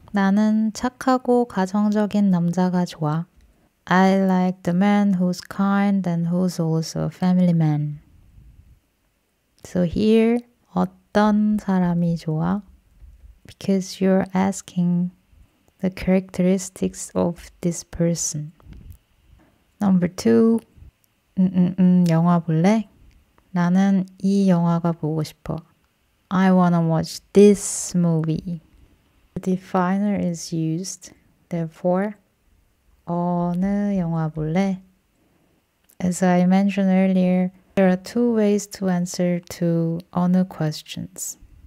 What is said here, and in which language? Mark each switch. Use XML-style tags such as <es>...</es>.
<ko>나는 착하고 가정적인 남자가 좋아.</ko> <en>I like the man who's kind and who's also a family man. So here,</en> <ko>어떤 사람이 좋아?</ko> <en>Because you're asking the characteristics of this person. Number two,</en> <ko>영화 볼래? 나는 이 영화가 보고 싶어.</ko> <en>I wanna watch this movie. The definer is used.</en> <ko>Therefore, 어느 영화 볼래?</ko> <en>As I mentioned earlier, there are two ways to answer to 어느 questions.</en>